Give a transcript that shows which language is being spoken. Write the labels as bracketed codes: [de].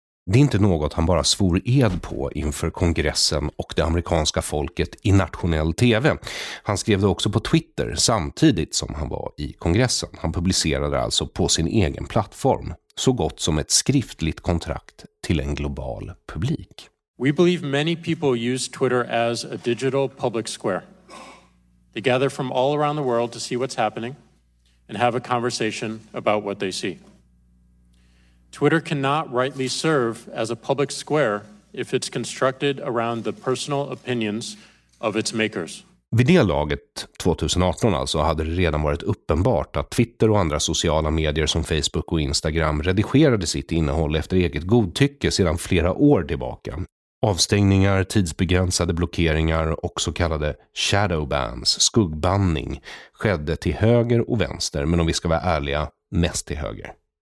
[sv] Det är inte något han bara svor ed på inför kongressen och det amerikanska folket i nationell TV. Han skrev det också på Twitter samtidigt som han var i kongressen. Han publicerade alltså på sin egen plattform så gott som ett skriftligt kontrakt till en global publik. [en] We believe many people use Twitter as a digital public square. They gather from all around the world to see what's happening and have a conversation about what they see. Twitter cannot rightly serve as a public square if it's constructed around the personal opinions of its makers. [sv] Vid det laget, 2018 alltså, hade det redan varit uppenbart att Twitter och andra sociala medier som Facebook och Instagram redigerade sitt innehåll efter eget godtycke sedan flera år tillbaka. Avstängningar, tidsbegränsade blockeringar och så kallade shadowbans, skuggbanning, skedde till höger och vänster, men om vi ska vara ärliga, mest till höger.